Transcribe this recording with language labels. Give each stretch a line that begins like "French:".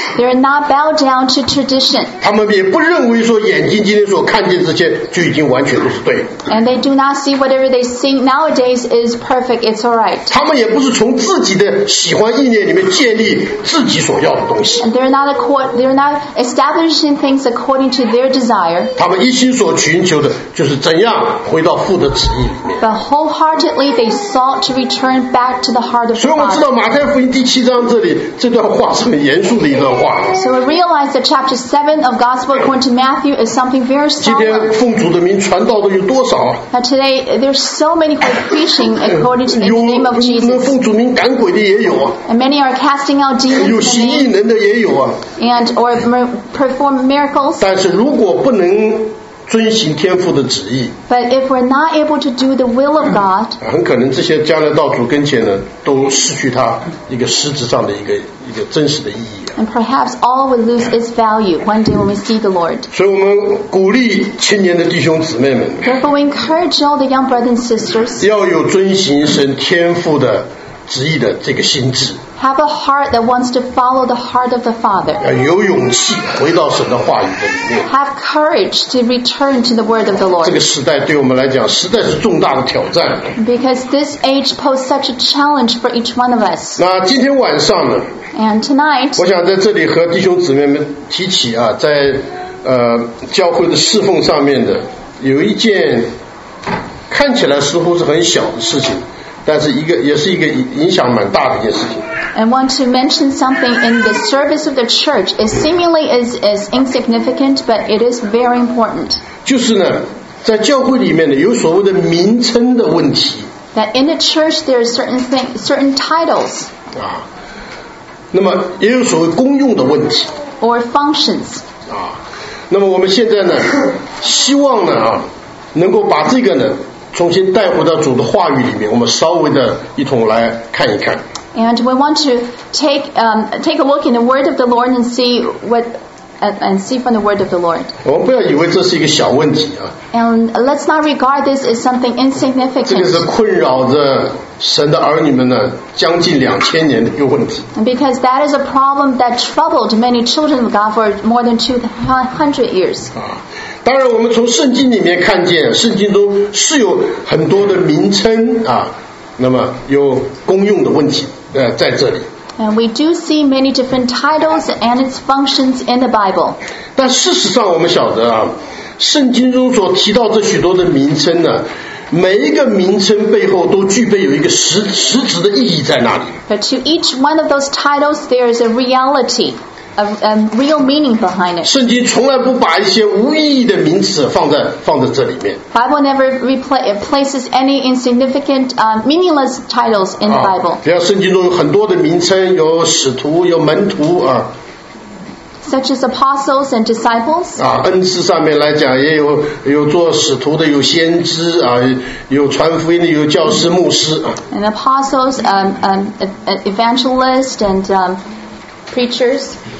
English: They're not bowed down to tradition.
Chinese: 他们也不认为说眼睛今天所看见这些就已经完全都是对。
English: And they do not see whatever they see nowadays is perfect. It's all right.
Chinese: 他们也不是从自己的喜欢意念里面建立自己所要的东西。
English: And they're not establishing things according to their desire.
Chinese: 他们一心所寻求的就是怎样回到父的旨意里面。
English: But wholeheartedly they sought to return back to the heart.
Chinese: 所以我们知道马太福音第七章这里这段话是很严肃的一段话。
English: So we realize that chapter 7 of Gospel according to Matthew is something very solemn.
Chinese: 今天奉主的名传道的有多少？
English: Now today there's so many who are preaching according to the name of Jesus.
Chinese: 有奉主名赶鬼的也有啊。
English: And many are casting out demons.
Chinese: 有行异能的也有啊。
English: And or perform miracles.
Chinese: 但是如果不能遵行天父的旨意。
English: But if we're not able to do the will of God,
Chinese: 很可能这些将来到主跟前的都失去它一个实质上的一个真实的意义。
English: And perhaps all will lose its value one day when we see the Lord.
Chinese: 所以我们鼓励青年的弟兄姊妹们。
English: Therefore, we encourage all the young brothers and sisters.
Chinese: 要有遵行神天父的旨意的这个心智。
English: Have a heart that wants to follow the heart of the Father.
Chinese: 要有勇气回到神的话语的里面。
English: Have courage to return to the word of the Lord.
Chinese: 这个时代对我们来讲实在是重大的挑战。
English: Because this age poses such a challenge for each one of us.
Chinese: 那今天晚上呢？
English: And tonight,
Chinese: 我想在这里和弟兄姊妹们提起啊，在教会的侍奉上面的有一件看起来似乎是很小的事情。但是一个也是一个影响蛮大的一件事情。
English: I want to mention something in the service of the church. It seemingly is insignificant, but it is very important.
Chinese: 就是呢，在教会里面呢，有所谓的名称的问题。
English: That in the church there are certain titles.
Chinese: 啊，那么也有所谓功用的问题。
English: Or functions.
Chinese: 啊，那么我们现在呢，希望呢啊，能够把这个呢。重新带回到主的话语里面，我们稍微的一同来看一看。
English: And we want to take a look in the word of the Lord and see what and see from the word of the Lord.
Chinese: 我们不要以为这是一个小问题啊。
English: And let's not regard this as something insignificant.
Chinese: 这个是困扰着神的儿女们呢，将近2000年的一个问题。
English: Because that is a problem that troubled many children of God for more than 200 years.
Chinese: 当然我们从圣经里面看见圣经中是有很多的名称啊，那么有功用的问题在这里。
English: And we do see many different titles and its functions in the Bible.
Chinese: 但事实上我们晓得啊，圣经中所提到这许多的名称呢，每一个名称背后都具备有一个实质的意义在那里。
English: But to each one of those titles, there is a reality. A real meaning behind it.
Chinese: 圣经从来不把一些无意义的名词放在这里面。
English: Bible never places any insignificant, meaningless titles in the Bible.
Chinese: 比方圣经中有很多的名称，有使徒，有门徒啊。
English: Such as apostles and disciples.
Chinese: 啊，恩赐上面来讲，也有做使徒的，有先知啊，有传福音的，有教师、牧师啊。
English: And apostles, evangelist and preachers.